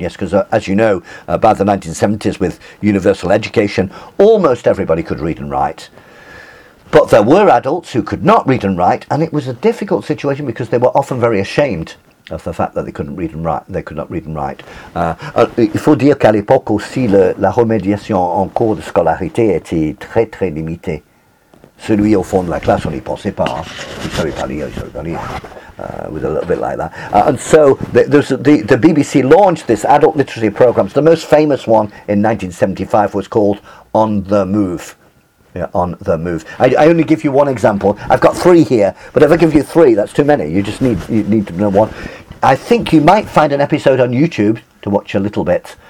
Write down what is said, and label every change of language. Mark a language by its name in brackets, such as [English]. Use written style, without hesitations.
[English] Yes, because as you know, by the 1970s, with universal education, almost everybody could read and write. But there were adults who could not read and write, and it was a difficult situation because they were often very ashamed of the fact that they couldn't read and write. They could not read and write. [French] Il faut dire qu'à l'époque aussi, la remédiation en cours de scolarité était très très limitée. Celui au fond de la classe, on n'y pensait pas. Il ne savait pas lire, il ne savait pas lire. [English] With a little bit like that. And so the BBC launched this adult literacy programmes. The most famous one in 1975 was called On the Move. Yeah, On the Move. I only give you one example. I've got three here, but if I give you three, that's too many. You just need to know one. I think you might find an episode on YouTube to watch a little bit.